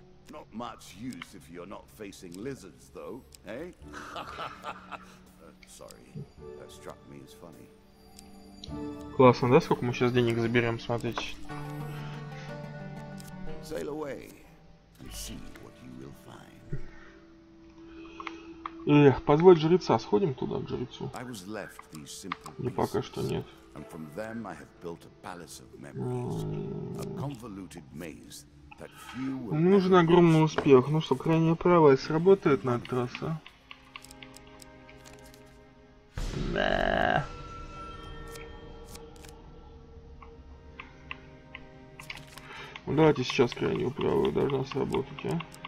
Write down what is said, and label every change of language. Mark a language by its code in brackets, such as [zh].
[en] Not much use if you're not facing lizards, though, eh? Sorry, that struck me as funny. [ru] Классно, да, сколько мы сейчас денег заберем, смотрите. [en] Sail away and see what you will find. [ru] Эх, позвать жреца, сходим туда к жрецу. [en] I was left these simple pieces. [ru] Ну, пока что нет. [en] And from them I have built a palace of memories, a convoluted maze. [ru] Нужен огромный успех. Ну что, крайняя правая сработает на этот раз, а? Да. Ну, давайте сейчас крайнюю правую должна сработать, а?